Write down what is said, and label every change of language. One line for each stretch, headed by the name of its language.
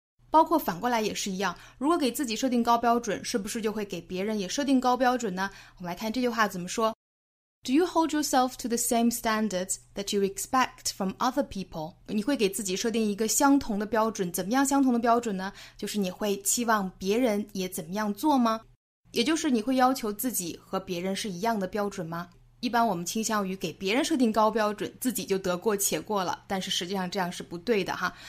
Chinese: 包括反过来也是一样，如果给自己设定高标准，是不是就会给别人也设定高标准呢？我们来看这句话怎么说。
English: Do you hold yourself to the same standards that you expect from other people?
Chinese: 你会给自己设定一个相同的标准，怎么样相同的标准呢？就是你会期望别人也怎么样做吗？也就是你会要求自己和别人是一样的标准吗？一般我们倾向于给别人设定高标准，自己就得过且过了，但是实际上这样是不对的哈。